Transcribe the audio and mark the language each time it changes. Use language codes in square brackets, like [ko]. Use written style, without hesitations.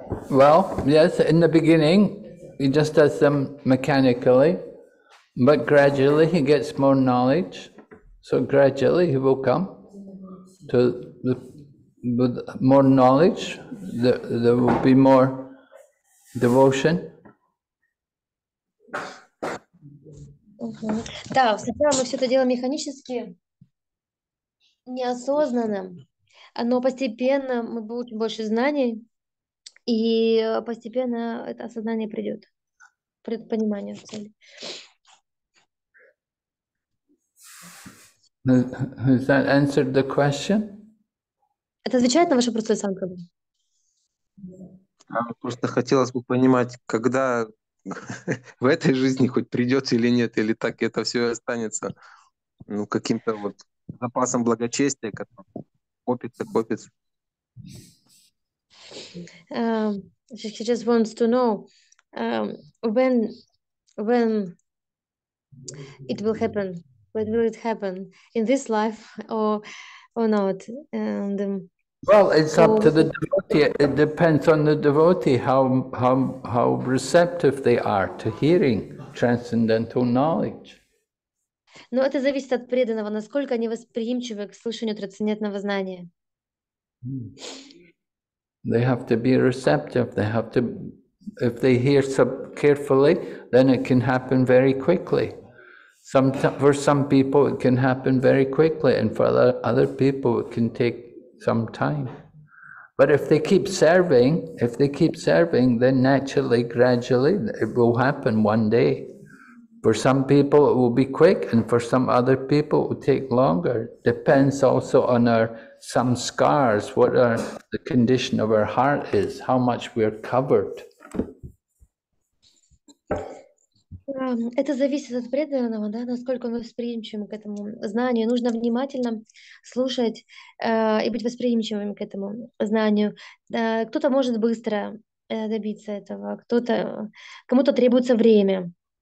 [en] Well, yes, in the beginning he just does them mechanically, but gradually he gets more knowledge, so gradually he will come to the with more knowledge, there will be more devotion. [ru] Да, сначала мы все это делаем механически, неосознанно, но постепенно мы получим больше знаний, и постепенно это осознание придет, придет понимание цели. [en] Has that answered the question? [ru] Это отвечает на ваши простые санкры? Просто хотелось бы понимать, когда в этой жизни хоть придется или нет, или так это все останется, ну, каким-то вот запасом благочестия, который копится, копится. [en] He just wants to know when it will happen, when will it happen in this life or not, and Well, it's up to the devotee. It depends on the devotee how receptive they are to hearing transcendental knowledge. [ru] Но это зависит от преданного, насколько они восприимчивы к слышанию трансцендентного знания. [en] They have to be receptive. They have to, if they hear carefully, then it can happen very quickly. For some people it can happen very quickly, and for other people it can take some time. But if they keep serving, then naturally, gradually, it will happen one day. For some people it will be quick, and for some other people it will take longer. Depends also on our samskaras, what are the condition of our heart is, how much we are covered. [ru] Это зависит от преданного, да, насколько он восприимчивым к этому знанию. Нужно внимательно слушать и быть восприимчивым к этому знанию. Кто-то может быстро добиться этого, кому-то требуется время.